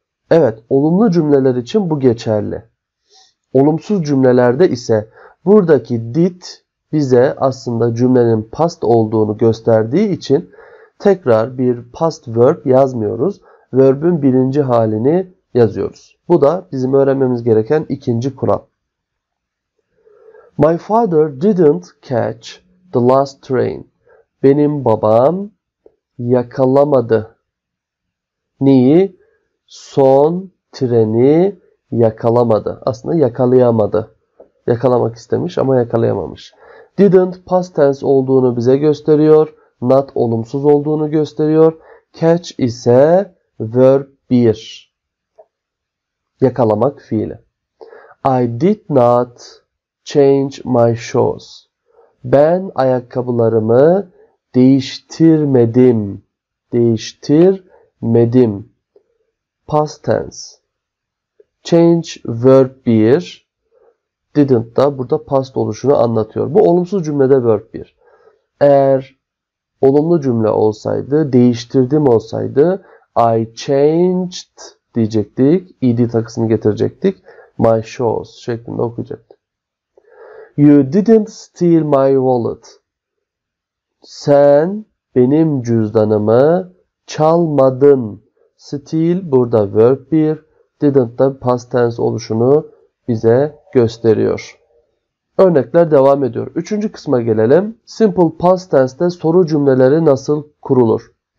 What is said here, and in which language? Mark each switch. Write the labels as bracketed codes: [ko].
[tr] Evet, olumlu cümleler için bu geçerli. Olumsuz cümlelerde ise buradaki did bize aslında cümlenin past olduğunu gösterdiği için tekrar bir past verb yazmıyoruz. Verb'ün birinci halini yazıyoruz. Bu da bizim öğrenmemiz gereken ikinci kural. [en] My father didn't catch the last train. [tr] Benim babam yakalamadı. Neyi? Son treni yakalamadı. Aslında yakalayamadı. Yakalamak istemiş ama yakalayamamış. Didn't past tense olduğunu bize gösteriyor. Not olumsuz olduğunu gösteriyor. Catch ise verb 1. Yakalamak fiili. [en] did not change my shoes. [tr] Ben ayakkabılarımı değiştirmedim. Değiştirmedim. Past tense. Change verb 1. Didn't da burada past oluşunu anlatıyor. Bu olumsuz cümlede verb 1. Eğer olumlu cümle olsaydı, değiştirdim olsaydı [en] I changed [tr] diyecektik. ED takısını getirecektik. [en] My shoes [tr] şeklinde okuyacaktık. [en] You didn't steal my wallet. [tr] Sen benim cüzdanımı çalmadın. Steal burada verb 1. Didn't da past tense oluşunu bize gösteriyor. Örnekler devam ediyor. Üçüncü kısma gelelim. Simple past tense'te soru cümleleri nasıl kurulur?